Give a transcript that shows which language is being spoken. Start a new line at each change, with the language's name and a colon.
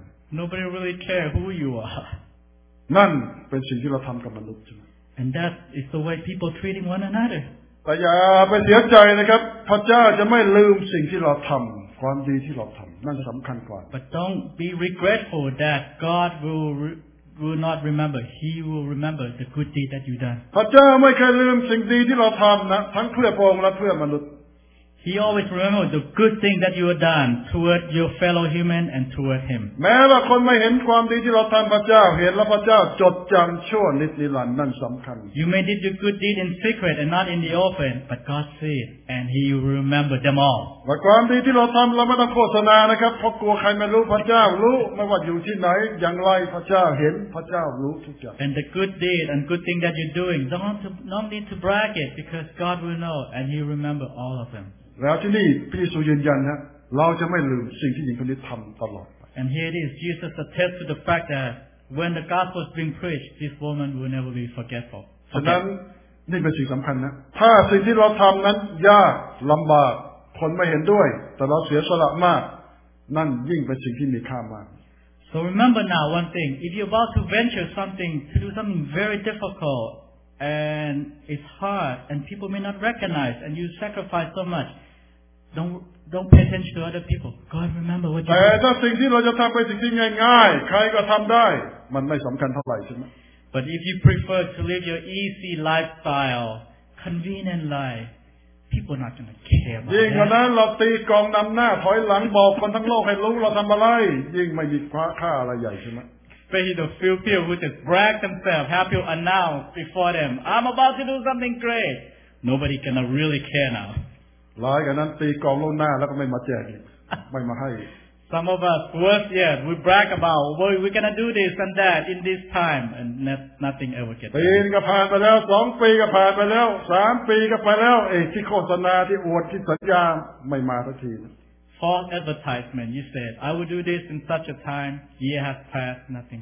English: Nobody really cares who you are. And that is the way people treating one another. But don't be regretful that God will not remember. He will remember the good deed that you done.
Thai: พระเจ้าไม่เคยลืมสิ่งดีที่เราทำนะทั้งเพื่อพระองค์และเพื่อมนุษย์
English: He always remembers the good thing that you have done toward your fellow human and toward Him.
Thai: แม้ว่าคนไม่เห็นความดีที่เราทำพระเจ้าเห็นแล้วพระเจ้าจดจำชั่วนิจนิรันดร์นั่นสำคัญ
English: You may did your good deed in secret and not in the open, but God see it and He will remember them all.
Thai: ว่าความดีที่เราทำเราไม่ต้องโฆษณานะครับเพราะกลัวใครไม่รู้พระเจ้ารู้ไม่ว่าอยู่ที่ไหนอย่างไรพระเจ้าเห็นพระเจ้ารู้ทุกอย่าง
English: And the good deed and good thing that you're doing don't need to brag it because God will know and He'll remember all of them.
Thai: แล้วที่นี่พระเยซูยืนยันนะเราจะไม่ลืมสิ่งที่หญิงคนนี้ทำตลอด
English: And here it is. Jesus attests to the fact that when the gospel is being preached, this woman will never be forgetful.
Thai: ฉะนั้น นี่เป็นสิ่งสำคัญนะถ้าสิ่งที่เราทำนั้นยากลำบากคนไม่เห็นด้วยแต่เราเสียสละมากนั่นยิ่งเป็นสิ่งที่มีค่ามาก
English: So remember now one thing if you're about to venture something to do something very difficult and it's hard and people may not recognize and you sacrifice so much don't pay attention to other people God remember what you
Thai: แต่ถ้าสิ่งที่เราจะทำเป็นสิ่งที่ง่ายๆใครก็ทำได้มันไม่สำคัญเท่าไหร่ใช่ไหม
English: But if you prefer to live your easy lifestyle, convenient life, people are not going to care about that.
Thai: ยิ่งกว่านั้นเราตีกองนำหน้าถอยหลังบอกคนทั้งโลกให้รู้เราทำอะไรยิ่งไม่มีค่าอะไรใหญ่ใช่ไหม
English: But the few people who just brag themselves, have you announced before them, I'm about to do something great. Nobody gonna really care now.
Thai: หลายกว่านั้นตีกองล่วงหน้าแล้วก็ไม่มาแจกไม่มาให้
English: Some of us, worse yet, we brag about, well, we're going to do this and that in this time, and nothing ever gets done. 3 years have passed, 2 years have passed, 3 years have passed, and the advertisement, the advertisement, has not come yet. False advertisement, you said, I will do this in such a time, year has passed, nothing